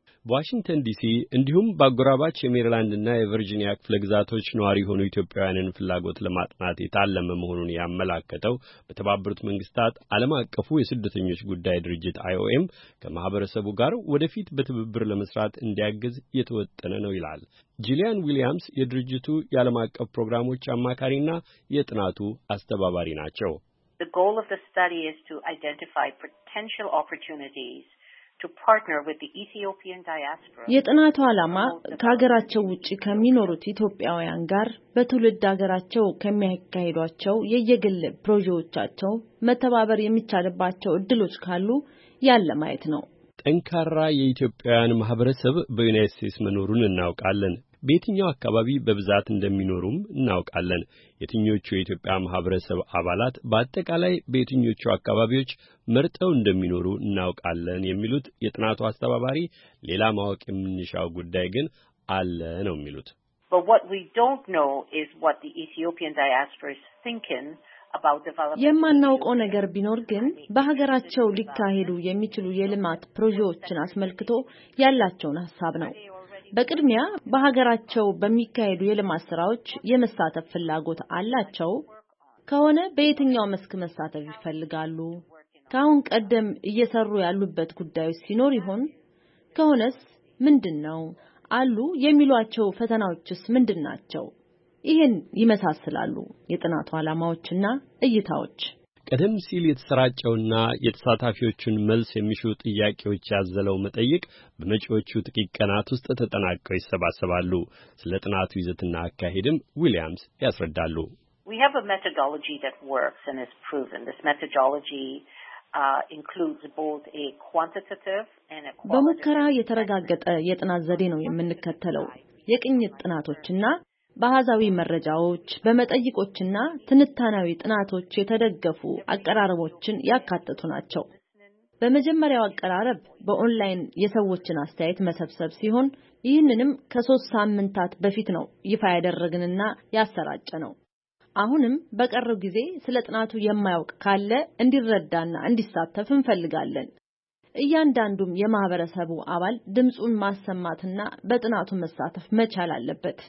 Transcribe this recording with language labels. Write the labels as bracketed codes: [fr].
[am] ዋሽንግተን ዲሲ እንዲሁም በአጎራባች የሜሪላንድና የቨርጂኒያ ክፍለ ግዛቶች ነዋሪ የሆኑ ኢትዮጵያውያንን ፍላጎት ለማጥናት የታለመ መሆኑን ያመለከተው በተባበሩት መንግስታት ዓለም አቀፉ የስደተኞች ጉዳይ ድርጅት IOM ከማህበረሰቡ ጋር ወደፊት በትብብር ለመስራት እንዲያግዝ የተወጠነ ነው ይላል። ጂሊያን ዊሊያምስ የድርጅቱ የዓለም አቀፍ ፕሮግራሞች አማካሪና የጥናቱ አስተባባሪ ናቸው። [en] The goal of the study is to identify potential opportunities to partner with the Ethiopian diaspora. [am] የጥናቱ ዓላማ ከሀገራቸው ውጪ ከሚኖሩት ኢትዮጵያውያን ጋር በትውልድ ሀገራቸው ከሚያካሂዷቸው የየግል ፕሮጀክቶቻቸው መተባበር የሚቻልባቸው እድሎች ካሉ ያለ ማየት ነው። ጠንካራ የኢትዮጵያውያን ማህበረሰብ በዩናይትድ ስቴትስ መኖሩን እናውቃለን። በየትኛው አካባቢ በብዛት እንደሚኖሩም እናውቃለን። የትኞቹ የኢትዮጵያ ማህበረሰብ አባላት በአጠቃላይ በየትኞቹ አካባቢዎች መርጠው እንደሚኖሩ እናውቃለን የሚሉት የጥናቱ አስተባባሪ፣ ሌላ ማወቅ የምንሻው ጉዳይ ግን አለ ነው የሚሉት። [en] But what we don't know is what the Ethiopian diaspora is thinking about developing. [am] የማናውቀው ነገር ቢኖር ግን በሀገራቸው ሊካሄዱ የሚችሉ የልማት ፕሮጀክቶችን አስመልክቶ ያላቸውን ሐሳብ ነው። በቅድሚያ በሀገራቸው በሚካሄዱ የልማት ስራዎች የመሳተፍ ፍላጎት አላቸው? ከሆነ በየትኛው መስክ መሳተፍ ይፈልጋሉ? ካሁን ቀደም እየሰሩ ያሉበት ጉዳዮች ሲኖር ይሆን? ከሆነስ ምንድነው? አሉ የሚሏቸው ፈተናዎችስ ምንድናቸው? ይሄን ይመሳሰላሉ የጥናቱ ዓላማዎችና እይታዎች። ቀደም ሲል የተሰራጨውና የተሳታፊዎችን መልስ የሚሹ ጥያቄዎች ያዘለው መጠይቅ በመጪዎቹ ጥቂት ቀናት ውስጥ ተጠናቅቆ ይሰባሰባሉ። ስለ ጥናቱ ይዘትና አካሄድም ዊሊያምስ ያስረዳሉ። [en] We have a methodology that works and is proven. This methodology includes both a quantitative and a qualitative. [am] በሙከራ የተረጋገጠ የጥናት ዘዴ ነው የምንከተለው። የቅኝት ጥናቶችና በአሃዛዊ መረጃዎች፣ በመጠይቆችና ትንታናዊ ጥናቶች የተደገፉ አቀራረቦችን ያካተቱ ናቸው። በመጀመሪያው አቀራረብ በኦንላይን የሰዎችን አስተያየት መሰብሰብ ሲሆን ይህንንም ከሶስት ሳምንታት በፊት ነው ይፋ ያደረግንና ያሰራጨነው። አሁንም በቀረው ጊዜ ስለ ጥናቱ የማያውቅ ካለ እንዲረዳና እንዲሳተፍ እንፈልጋለን። እያንዳንዱም የማህበረሰቡ አባል ድምጹን ማሰማትና በጥናቱ መሳተፍ መቻል አለበት።